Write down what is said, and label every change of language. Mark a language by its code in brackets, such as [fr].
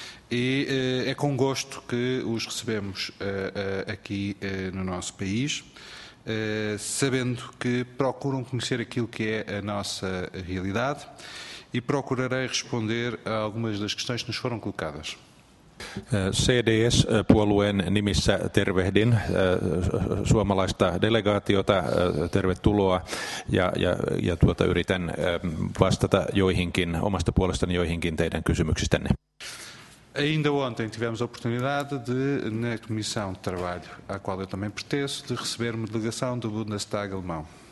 [pt] E é com gosto que os recebemos aqui no nosso país, sabendo que procuram conhecer aquilo que é a nossa realidade. E procurarei responder a algumas das questões que nos foram colocadas. [fi] CDS-puolueen nimissä tervehdin suomalaista delegaatiota, tervetuloa, ja tuota, yritän vastata joihinkin, omasta puolestani joihinkin teidän kysymyksistänne. [pt] Ainda ontem tivemos a oportunidade de, na Comissão de Trabalho, à qual eu também pertenço, de receber uma delegação do Bundestag alemão.